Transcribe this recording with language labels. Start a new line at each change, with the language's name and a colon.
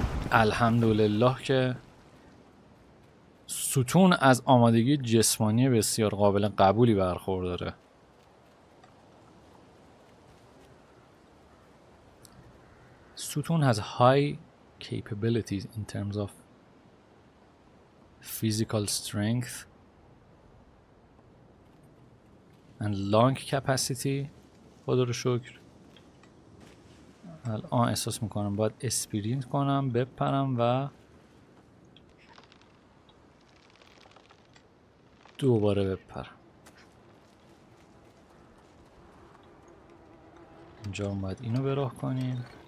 Persian: الحمدلله که ستون از آمادگی جسمانی بسیار قابل قبولی برخورداره.
English: ستون has high capabilities in terms of physical strength and lung capacity.
Persian: خدا رو شکر. الان احساس میکنم باید اسپرینت کنم، بپرم و دوباره بپرم. اینجا هم باید اینو براه کنیم.